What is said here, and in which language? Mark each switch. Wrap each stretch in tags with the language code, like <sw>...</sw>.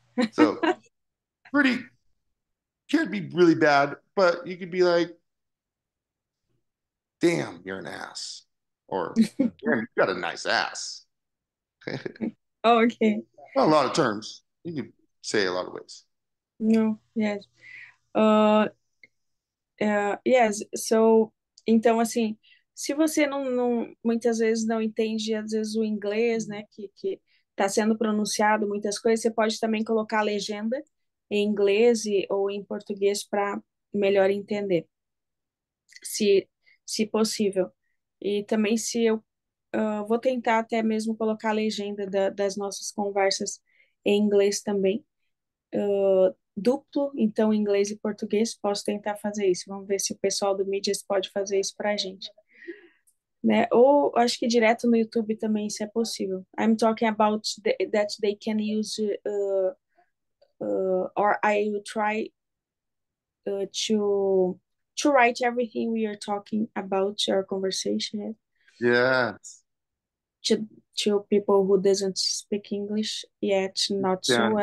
<en>So, pretty can be really bad, but you could be like, "Damn, you're an ass," or "Damn, you got a nice ass." Well, Okay. a lot of terms you could say a lot of ways. No, yes. Yes, so</en> <pt>então assim, se você não muitas vezes não entende, às vezes o inglês, né, que está sendo pronunciado muitas coisas, você pode também colocar a legenda em inglês ou em português para melhor entender, se possível. E também se eu vou tentar até mesmo colocar a legenda das nossas conversas em inglês também, duplo, então inglês e português, posso tentar fazer isso. Vamos ver se o pessoal do Mídias pode fazer isso para a gente. Né? Ou acho que direto no YouTube também isso é possível.</pt> <en>I'm talking about that they can use or I will try to write everything we are talking about our conversation, Yes. to people who doesn't speak English yet, not so</en>